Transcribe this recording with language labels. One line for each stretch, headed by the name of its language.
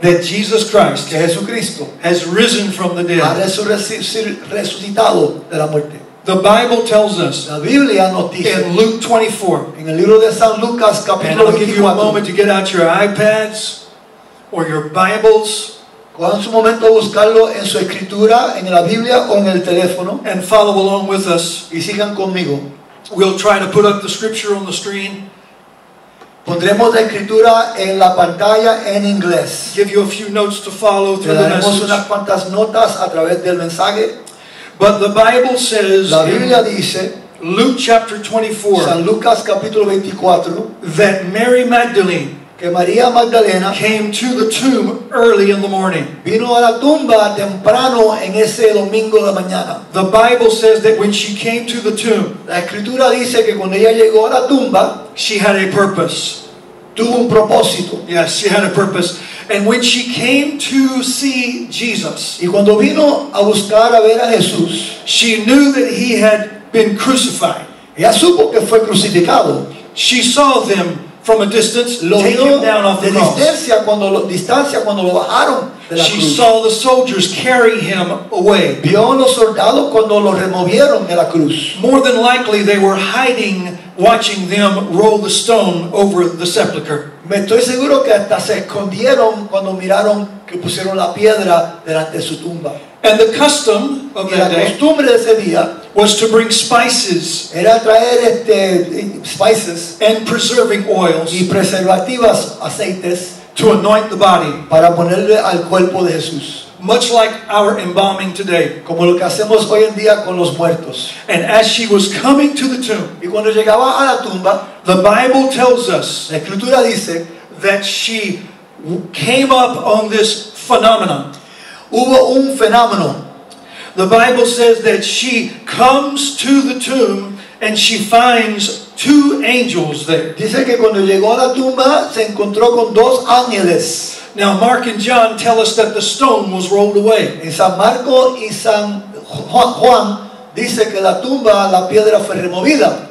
English: that Jesus Christ,
Spanish: que Jesucristo,
English: has risen from the dead.
Spanish: Ha resucitado de la muerte.
English: The Bible tells us
Spanish: la Biblia nos dice,
English: in Luke 24,
Spanish: en el libro de San Lucas, capítulo 24,
English: and I'll give you a moment to get out your iPads or your Bibles,
Spanish: cojan su momento a buscarlo en su escritura, en la Biblia o en el teléfono,
English: and follow along with us.
Spanish: Y sigan conmigo.
English: We'll try to put up the scripture on the screen.
Spanish: Pondremos la escritura en la pantalla en inglés.
English: Give you a few notes to follow through the message.
Spanish: Le daremos unas cuantas notas a través del mensaje.
English: But the Bible says,
Spanish: la Biblia dice,
English: Luke chapter 24,
Spanish: San Lucas capítulo 24,
English: that Mary Magdalene,
Spanish: que María Magdalena,
English: came to the tomb early in the morning.
Spanish: Vino a la tumba temprano en ese domingo de mañana.
English: The Bible says that when she came to the tomb,
Spanish: la escritura dice que cuando ella llegó a la tumba,
English: she had a purpose.
Spanish: Tuvo un propósito.
English: Yes, she had a purpose. And when she came to see Jesus,
Spanish: y cuando vino a buscar a ver a Jesús,
English: she knew that he had been crucified.
Spanish: Ella supo que fue crucificado.
English: She saw them from a distance,
Spanish: lo
English: take him down off the cross.
Spanish: Distancia cuando lo bajaron de la
English: she
Spanish: cruz.
English: Saw the soldiers carry him away.
Spanish: Vio a los soldados cuando lo removieron de la cruz.
English: More than likely, they were hiding, watching them roll the stone over the sepulcher.
Spanish: Me estoy seguro que hasta se escondieron cuando miraron que pusieron la piedra delante de su tumba.
English: And the custom of that day,
Spanish: la costumbre de ese día,
English: was to bring spices,
Spanish: era traer spices
English: and preserving oils
Spanish: y preservativas aceites
English: to anoint the body,
Spanish: para ponerle al cuerpo de Jesús.
English: Much like our embalming today,
Spanish: como lo que hacemos hoy en día con los muertos.
English: And as she was coming to the tomb,
Spanish: y cuando llegaba a la tumba,
English: the Bible tells us,
Spanish: la escritura dice,
English: that she came up on this phenomenon.
Spanish: Hubo un fenómeno.
English: The Bible says that she comes to the tomb and she finds two angels there.
Spanish: Dice que cuando llegó a la tumba se encontró con dos ángeles.
English: Now Mark and John tell us that the stone was rolled away.
Spanish: En San Marco y San Juan dice que la tumba, la piedra fue removida.